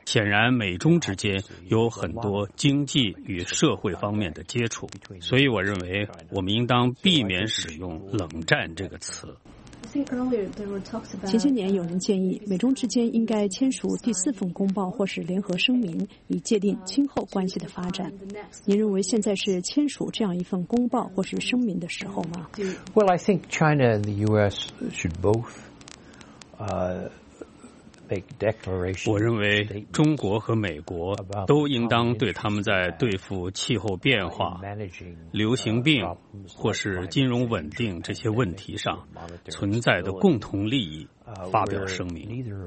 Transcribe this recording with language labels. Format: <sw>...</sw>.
<zh>显然，美中之间有很多经济与社会方面的接触，所以我认为我们应当避免使用“冷战”这个词。前些年有人建议美中之间应该签署第四份公报或是联合声明，以界定今后关系的发展。您认为现在是签署这样一份公报或是声明的时候吗？</zh> <en>Well, I think China and the U.S. should both make declarations.</en> <zh>我认为中国和美国都应当对他们在对付气候变化、流行病或是金融稳定这些问题上存在的共同利益发表声明。</zh>